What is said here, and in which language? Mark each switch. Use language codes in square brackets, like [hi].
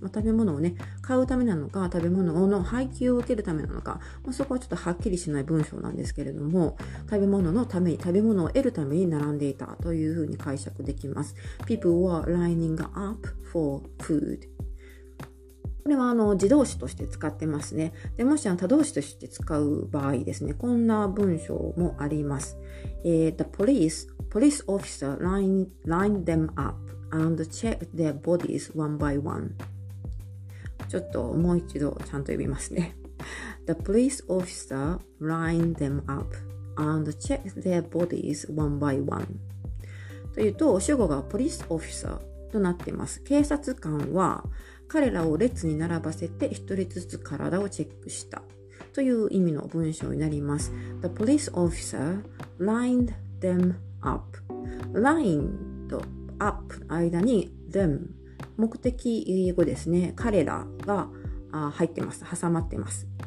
[ja] まあ、食べ物をね、買うためなのか、食べ物の配給を受けるためなのか、まあ、そこはちょっとはっきりしない文章なんですけれども、食べ物を得るために並んでいたというふうに解釈できます。 [en] People were lining up for food. [ja] これは自動詞として使ってますね。で、もし他動詞として使う場合ですね、こんな文章もあります。 [en] The police officer lined them up and checked their bodies one by one. [ja] ちょっともう一度ちゃんと読みますね。 [en] The police officer lined them up and checked their bodies one by one. [ja] というと、主語がポリスオフィサーとなっています。警察官は彼らを列に並ばせて一人ずつ体をチェックしたという意味の文章になります。 [en] The police officer lined them up。 [ja] line と up の間に them、 目的語ですね、彼らが入ってます、挟まってます。